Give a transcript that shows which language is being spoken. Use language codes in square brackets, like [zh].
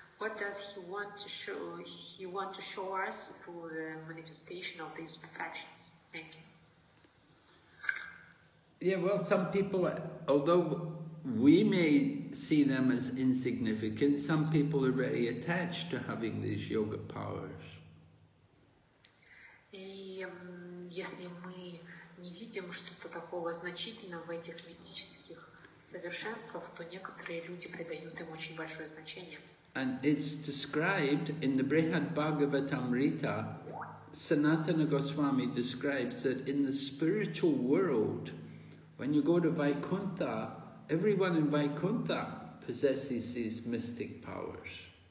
[en] What does he want to show? He want to show us through the manifestation of these perfections. Thank you. Yeah, well, some people, although we may see them as insignificant, some people are very attached to having these yoga powers. [ru] И если мы не видим что-то такого значительного в этих мистических совершенствах, то некоторые люди придают им очень большое значение. [en] And it's described in the Brihad Bhagavatamrita, Sanatana Goswami describes that in the spiritual world, when you go to Vaikuntha, everyone in Vaikuntha possesses these mystic powers.